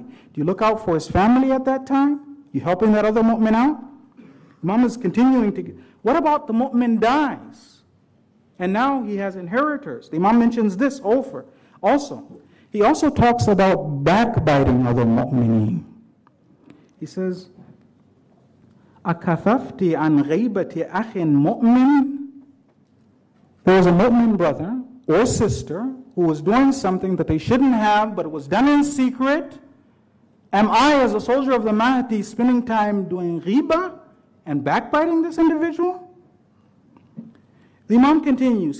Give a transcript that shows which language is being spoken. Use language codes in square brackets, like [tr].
[en] Do you look out for his family at that time? You helping that other mu'min out? Imam is continuing to... What about the mu'min dies? And now he has inheritors. The Imam mentions this over. Also, he also talks about backbiting other mu'mineen. He says, [ar] أَكَفَفْتِ عَنْ غَيْبَةِ أَخٍ مُؤْمِنٍ. [en] There was a mu'min brother or sister who was doing something that they shouldn't have, but it was done in secret. Am I, as a soldier of the Mahdi, spending time doing riba and backbiting this individual? The Imam continues.